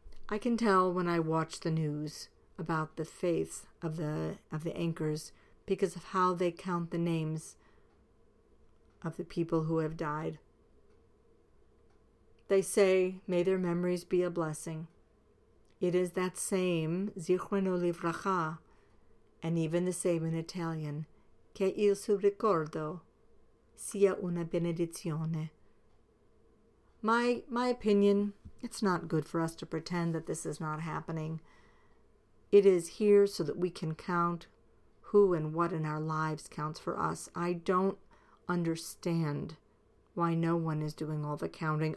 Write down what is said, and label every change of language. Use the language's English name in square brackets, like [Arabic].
[English] I can tell when I watch the news about the faiths of the anchors because of how they count the names of the people who have died. They say, may their memories be a blessing. It is that same, [Hebrew] Zichrono Livracha, [English] and even the same in Italian, [Italian] Che il suo ricordo sia una benedizione. [English] My opinion, it's not good for us to pretend that this is not happening. It is here so that we can count who and what in our lives counts for us. I don't understand why no one is doing all the counting.